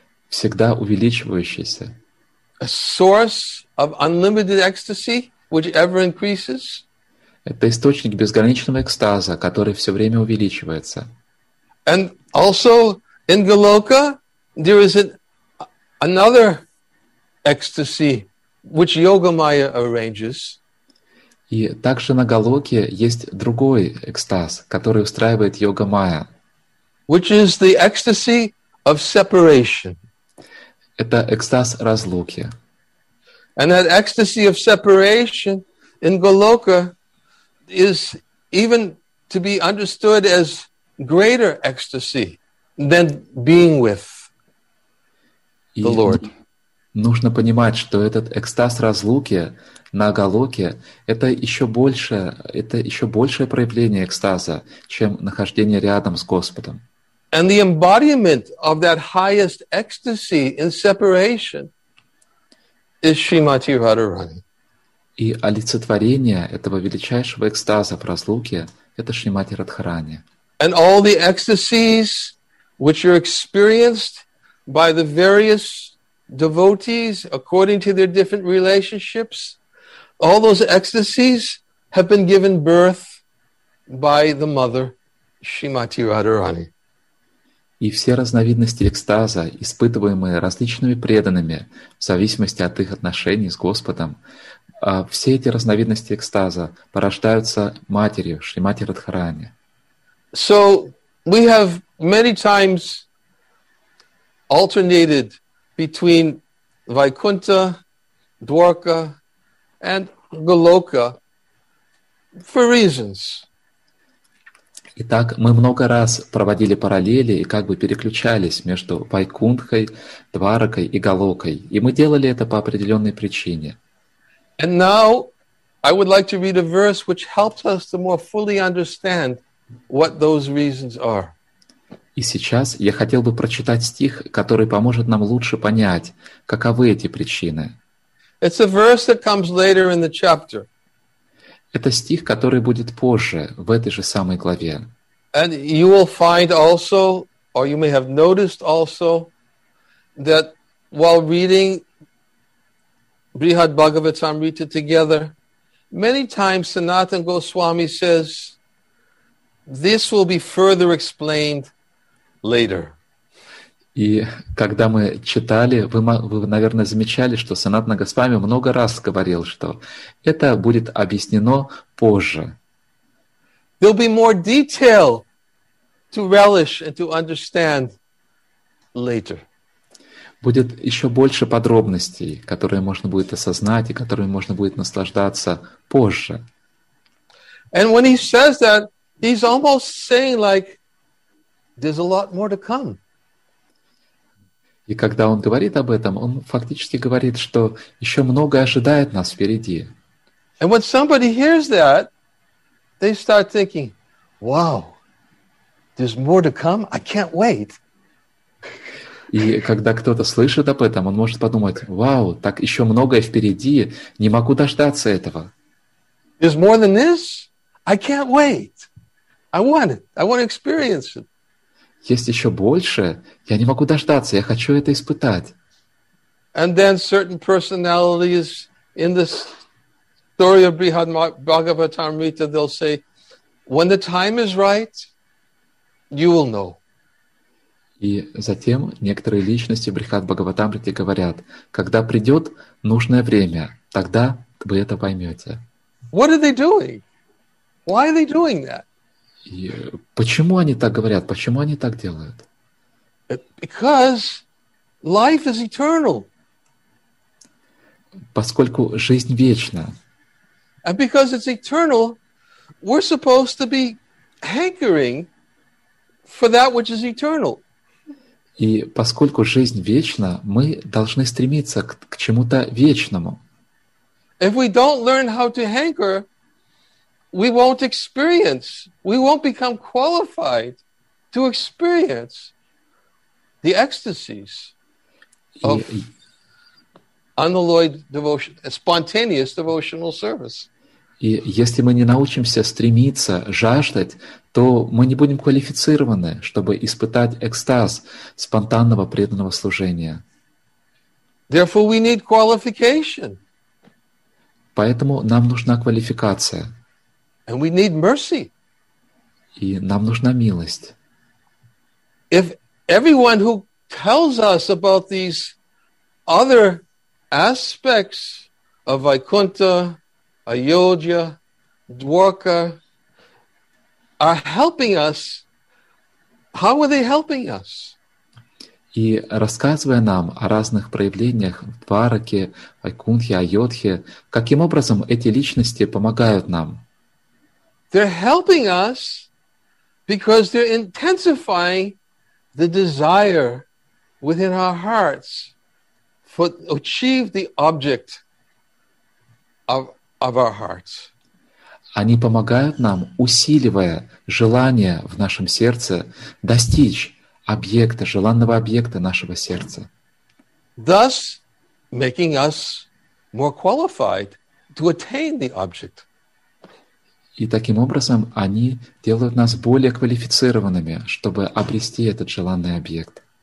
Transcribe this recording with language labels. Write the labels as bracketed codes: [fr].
[ru] Всегда увеличивающиеся. [en] A source of unlimited ecstasy, which ever increases. [ru] Это источник безграничного экстаза, который все время увеличивается. [en] And also in Goloka there is another ecstasy which Yogamaya arranges. [ru] И также на Голоке есть другой экстаз, который устраивает Йогамая. [en] Which is the ecstasy of separation. [ru] Это экстаз разлуки. [en] And that ecstasy of separation in Goloka is even to be understood as greater ecstasy than being with the Lord. [ru] Нужно понимать, что этот экстаз разлуки на Голоке это еще большее проявление экстаза, чем нахождение рядом с Господом. [en] And the embodiment of that highest ecstasy in separation is Srimati Radharani. [ru] И олицетворение этого величайшего экстаза в разлуке — это Шримати Радхарани. [en] And all the ecstasies which are experienced by the various devotees according to their different relationships, all those ecstasies have been given birth by the mother, Шримати Радхарани. [ru] И все разновидности экстаза, испытываемые различными преданными в зависимости от их отношений с Господом, все эти разновидности экстаза порождаются матерью, Шримати Радхарани. [en] So we have many times alternated between Vaikuntha, Dwarka, and Goloka for reasons. [ru] Итак, мы много раз проводили параллели и как бы переключались между Вайкунтхой, Дваракой и Голокой, и мы делали это по определенной причине. [en] And now I would like to read a verse which helps us to more fully understand what those reasons are. [ru] И сейчас я хотел бы прочитать стих, который поможет нам лучше понять, каковы эти причины. [en] It's a verse that comes later in the chapter. [ru] Это стих, который будет позже, в этой же самой главе. [en] And you will find also, or you may have noticed also, that while reading Brihad Bhagavatamrita together, many times Sanatana Goswami says, this will be further explained later. [ru] И когда мы читали, вы, наверное, замечали, что Санатана Госвами много раз говорил, что это будет объяснено позже. [en] There'll be more detail to relish and to understand later. [ru] Будет еще больше подробностей, которые можно будет осознать и которыми можно будет наслаждаться позже. [en] And when he says that, he's almost saying like, there's a lot more to come. [ru] И когда он говорит об этом, он фактически говорит, что еще многое ожидает нас впереди. [en] And when somebody hears that, they start thinking, wow, there's more to come, I can't wait. [ru] И когда кто-то слышит об этом, он может подумать, вау, так еще многое впереди, не могу дождаться этого. [en] There's more than this? I can't wait. I want it. I want to experience it. [ru] Есть еще больше. Я не могу дождаться. Я хочу это испытать. [en] And then certain personalities in the story of Bhagavatamrita, they'll say, when the time is right, you will know. [ru] И затем некоторые личности Брихат Бхагаватамрите говорят, когда придет нужное время, тогда вы это поймете. [en] What are they doing? Why are they doing that? [ru] И почему они так говорят? Почему они так делают? [en] Because life is eternal. [ru] Поскольку жизнь вечна. [en] And because it's eternal, we're supposed to be hankering for that which is eternal. [ru] И поскольку жизнь вечна, мы должны стремиться к чему-то вечному. [en] If we don't learn how to hanker, we won't experience, we won't become qualified to experience the ecstasies of unalloyed devotion, spontaneous devotional service. [ru] И если мы не научимся стремиться, жаждать, то мы не будем квалифицированы, чтобы испытать экстаз спонтанного преданного служения. [en] Therefore, we need qualification. [ru] Поэтому нам нужна квалификация. [en] And we need mercy. [ru] И нам нужна милость. [en] If everyone who tells us about these other aspects of Vaikuntha, Ayodhya, Dwarka are helping us, how are they helping us? [ru] И рассказывая нам о разных проявлениях в Двараке, Вайкунтхе, Айодхе, каким образом эти личности помогают нам? [en] They're helping us because they're intensifying the desire within our hearts to achieve the object of our hearts. [ru] Они помогают нам, усиливая желание в нашем сердце достичь объекта, желанного объекта нашего сердца. [en] Thus, making us more qualified to attain the object. [ru] И таким образом они делают нас более квалифицированными, чтобы обрести этот желанный объект.